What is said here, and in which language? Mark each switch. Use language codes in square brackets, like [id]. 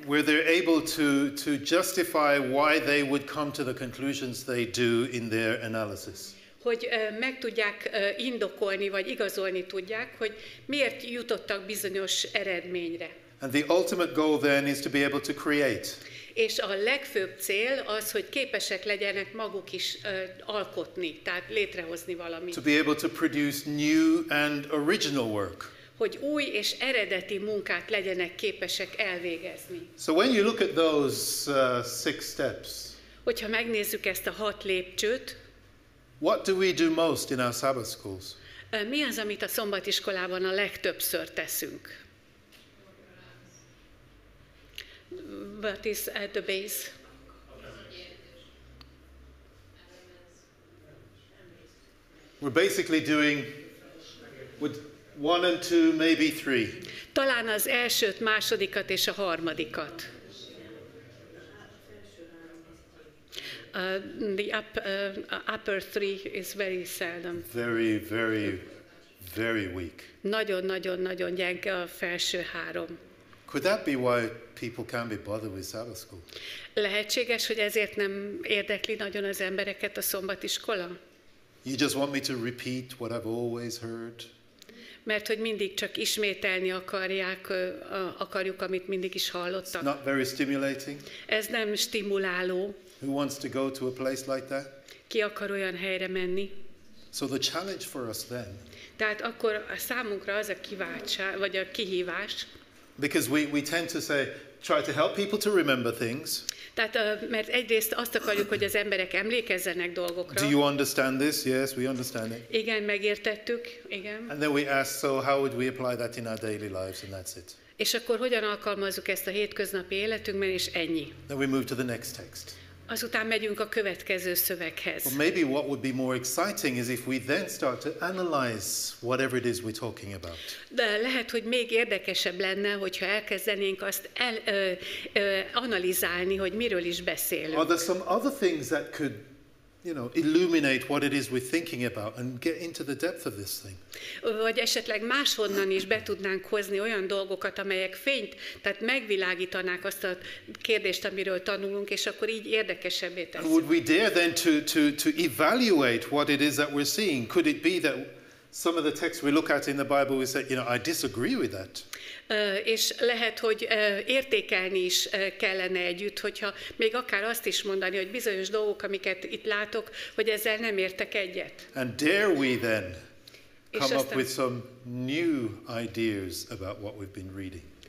[en] Where they're able to justify why they would come to the conclusions they do in their analysis. [hu] Hogy meg tudják indokolni vagy igazolni tudják, hogy miért jutottak bizonyos eredményre. [en] And the ultimate goal then is to be able to create. [hu] És a legfőbb cél az, hogy képesek legyenek maguk is alkotni, tehát létrehozni valamit. [en] To be able to produce new and original work. [hu] hogy új és eredeti munkát legyenek képesek elvégezni. [en] So when you look at those six steps, [hu] hogyha megnézzük ezt a hat lépcsőt, [en] what do we do most in our Sabbath schools? [hu] Mi az, amit a szombatiskolában a legtöbbször teszünk? [en] What is at the base? We're basically doing with one and two, maybe three. [hu] Talán az elsőt, másodikat és a harmadikat. [en] The upper three is very seldom. Very, very, very weak. [hu] Nagyon gyenge a felső három. [en] Could that be why people can't be bothered with Sabbath school? [hu] Lehetséges, hogy ezért nem érdekli nagyon az embereket a szombatiskola? [en] You just want me to repeat what I've always heard? [hu] Mert hogy mindig csak ismételni akarjuk, amit mindig is hallottak. [en] It's not very stimulating. [hu] Ez nem stimuláló. [en] Who wants to go to a place like that? [hu] Ki akar olyan helyre menni? [en] So the challenge for us then. [hu] Tehát akkor a számunkra az a kiváltság, vagy a kihívás. [en] Because we tend to say, try to help people to remember things. [hu] Tehát mert egyrészt azt akarjuk, hogy az emberek emlékezzenek dolgokra. [en] Do you understand this? Yes, we understand it. [hu] Igen, megértettük. Igen. [en] And then we ask, so how would we apply that in our daily lives, and that's it. [hu] És akkor hogyan alkalmazzuk ezt a hétköznapi életünkben, és ennyi. [en] Then we move to the next text. [hu] Azután megyünk a következő szöveghez. [en] Well, maybe what would be more exciting is if we then start to analyze whatever it is we're talking about. [hu] De lehet, hogy még érdekesebb lenne, hogyha elkezdenénk azt analizálni, hogy miről is beszélünk. [en] Are there some other things that could, you know, illuminate what it is we're thinking about and get into the depth of this thing? [hu] Vagy esetleg máshonnan is be tudnánk hozni olyan dolgokat, amelyek fényt, tehát megvilágítanák azt a kérdést, amiről tanulunk, és akkor így érdekesebbé teszünk. [en] Would we dare then to evaluate what it is that we're seeing? Could it be that some of the texts we look at in the Bible we say, you know, I disagree with that? [hu] És lehet, hogy értékelni is kellene együtt, hogyha még akár azt is mondani, hogy bizonyos dolgok, amiket itt látok, hogy ezzel nem értek egyet. [en] And dare we then come up with some new ideas about what we've been reading?